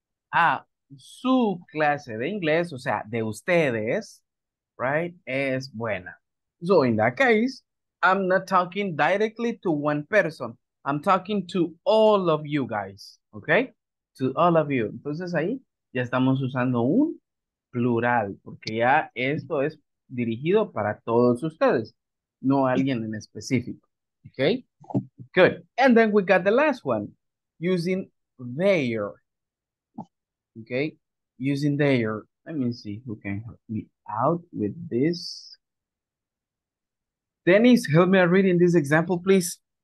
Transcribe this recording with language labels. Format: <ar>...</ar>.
<es>Ah, su clase de inglés, o sea, de ustedes, right, es buena.</es> <en>So in that case, I'm not talking directly to one person. I'm talking to all of you guys, okay? To all of you.</en> <es>Entonces ahí ya estamos usando un plural, porque ya esto es dirigido para todos ustedes, no alguien en específico, okay?</es> <en>Good. And then we got the last one, using their, okay? Using their. Let me see who can help me out with this. Dennis, help me read in this example, please.</en>